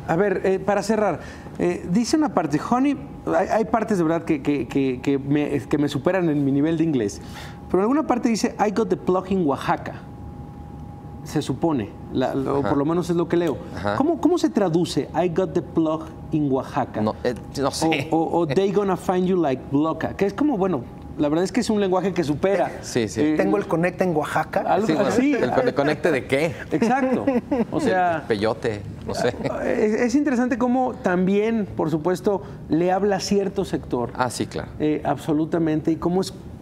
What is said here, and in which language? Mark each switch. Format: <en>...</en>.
<es>A ver, para cerrar, dice una parte, Honey, hay partes de verdad que me superan en mi nivel de inglés, pero en alguna parte dice,</es> <en>I got the plug in Oaxaca.</en> <es>Se supone, o por lo menos es lo que leo. ¿Cómo se traduce?</es> <en>I got the plug in Oaxaca.</en> <es>No sé.</es> <en>O they gonna find you like Bloca.</en> <es>Que es como, bueno, la verdad es que es un lenguaje que supera. Sí, sí. Tengo el conecte en Oaxaca. Algo así. ¿El conecte de qué? Exacto. O sea. El peyote, no sé. Es interesante cómo también, por supuesto, le habla a cierto sector. Ah, sí, claro. Absolutamente. Y cómo es.</es>